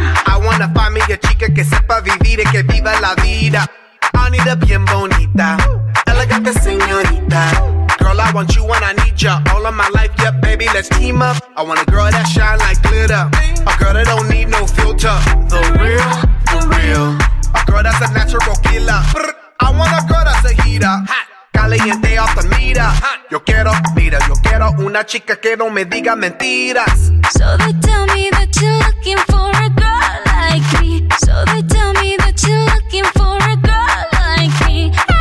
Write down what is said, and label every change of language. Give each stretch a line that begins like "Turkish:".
English: I wanna find me a
Spanish: chica que sepa vivir y que viva la vida.
English: I need a
Spanish: bien bonita, elegante señorita.
English: Girl, I want you and I need ya all of my life. Yeah, baby, let's team up. I want a girl that shine like glitter, a girl that don't need no filter. The real, the real. A girl that's a natural killer. I want a girl that's a heater, caliente off the meter.
Spanish: Yo quiero, mira, yo quiero una chica que no me diga mentiras.
English: So they tell me that you're looking for a girl like me. So they tell me that you're looking for a girl like me.